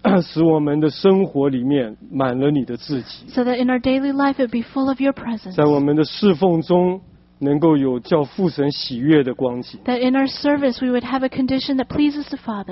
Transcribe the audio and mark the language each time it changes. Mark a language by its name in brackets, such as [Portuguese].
[Chinese] 使我们的生活里面满了你的自己, [English] so that in our daily life it would be full of your presence. [Chinese] 在我们的侍奉中能够有叫父神喜悦的光景。 [English] That in our service we would have a condition that pleases the Father.